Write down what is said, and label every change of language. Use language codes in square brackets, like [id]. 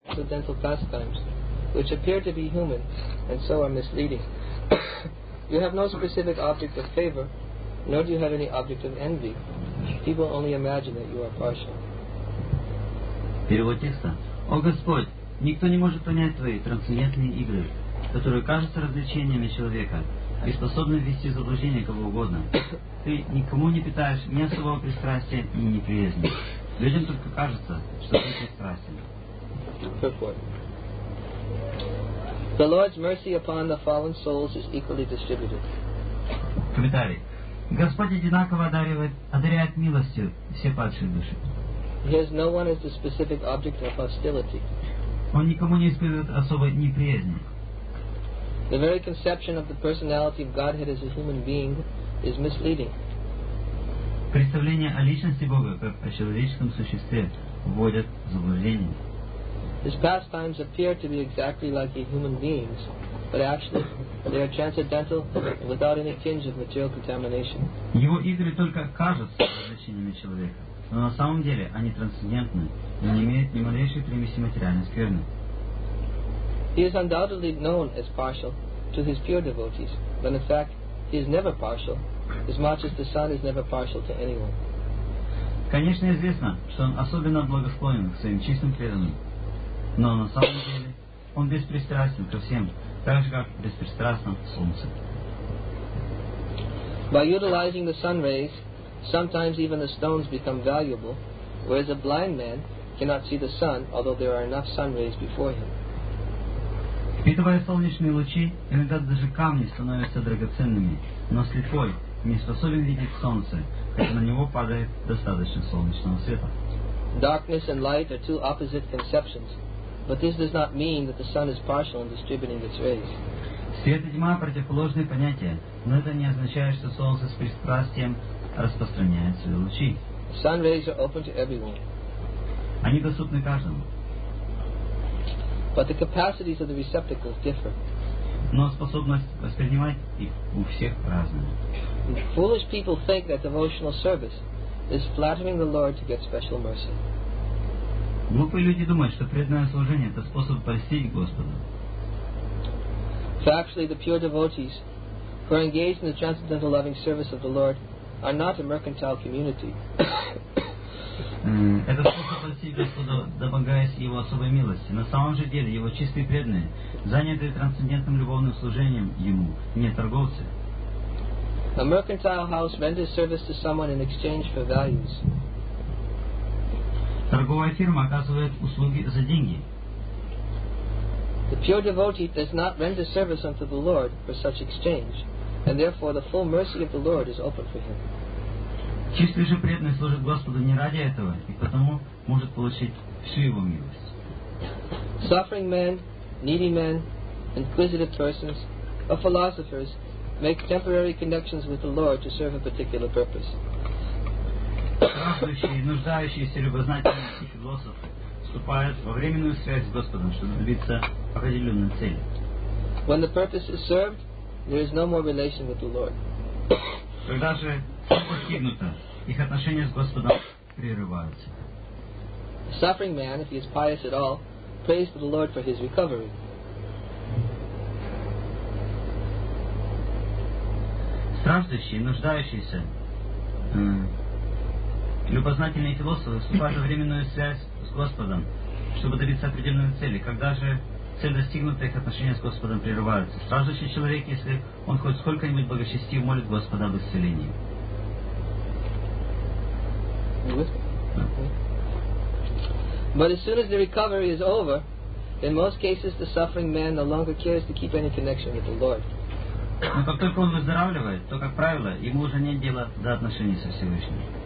[en] accidental pastimes, which appear to be human, and so are misleading. You have no specific object of favor, nor do you have any object of envy. People only imagine that you are partial. [ru] Перевод текста. О Господь, никто не может понять твои трансцендентные игры, которые кажутся развлечениями человека и способны ввести в заблуждение кого угодно. Ты никому не питаешь ни особого пристрастия, ни неприязни. Людям только кажется, что ты пристрастен. [en] The Lord's mercy upon the fallen souls is equally distributed. [ru] Комментарий. Господь одинаково одаряет милостью все падшие души. [en] He has no one as the specific object of hostility. [ru] Он никому не испытывает особой неприязни. [en] The very conception of the personality of Godhead as a human being is misleading. [ru] Представление о личности Бога как о человеческом существе вводит в заблуждение. [en] His pastimes appear to be exactly like human beings, but actually they are transcendental and without any tinge of material contamination. [ru] Его игры только кажутся развлечениями человека, но на самом деле они трансцендентны и не имеют ни малейшей примеси материальной скверны. [en] He is undoubtedly known as partial to his pure devotees, but in fact he is never partial, as much as the sun is never partial to anyone. [ru] Конечно, известно, что он особенно благосклонен к своим чистым преданным. Но на самом деле он беспристрастен ко всем, так же как беспристрастно солнце. [en] By utilizing the sun rays, sometimes even the stones become valuable, whereas a blind man cannot see the sun, although there are enough sun rays before him. [ru] Впитывая солнечные лучи, иногда даже камни становятся драгоценными, но слепой не способен видеть солнце, хотя на него падает достаточно солнечного света. [en] Darkness and light are two opposite conceptions. But this does not mean that the sun is partial in distributing its rays. [ru] Свет и тьма — противоположные понятия, но это не означает, что солнце с пристрастием распространяет свои лучи. [en] Sun rays are open to everyone. [ru] Они доступны каждому. [en] But the capacities of the receptacles differ. [ru] Но способность воспринимать их у всех разная. [en] Foolish people think that devotional service is flattering the Lord to get special mercy. [ru] Глупые люди думают, что преданное служение — это способ польстить Господу. [en] Factually, the pure devotees who are engaged in the transcendental loving service of the Lord are not a mercantile community. [ru] Это способ польстить Господу, домогаясь Его особой милости. На самом же деле, Его чистые преданные, занятые трансцендентным любовным служением Ему, не торговцы. [en] A mercantile house renders service to someone in exchange for values. [ru] Торговая фирма оказывает услуги за деньги. [en] The pure devotee does not render service unto the Lord for such exchange, and therefore the full mercy of the Lord is open for him. [ru] Чистый же преданный служит Господу не ради этого, и потому может получить всю Его милость. [en] Suffering men, needy men, inquisitive persons, or philosophers make temporary connections with the Lord to serve a particular purpose. [ru] Страждущие, нуждающиеся, любознательные и философы вступают во временную связь с Господом, чтобы добиться определенной цели. [en] When the purpose is served, there is no more relation with the Lord. [ru] Когда же цель достигнута, их отношения с Господом прерываются. [en] The suffering man, if he is pious at all, prays to the Lord for his recovery. [ru] Страждущие, нуждающиеся, любознательные философы вступают во временную связь с Господом, чтобы добиться определенной цели. Когда же цель достигнута, их отношения с Господом прерываются. Страждущий человек, если он хоть сколько-нибудь благочестив, молит Господа об исцелении. [en] But as soon as the recovery is over, in most cases the suffering man no longer cares to keep any connection with the Lord. [ru] Но как только он выздоравливает, то, как правило, ему уже нет дела до отношений со Всевышним.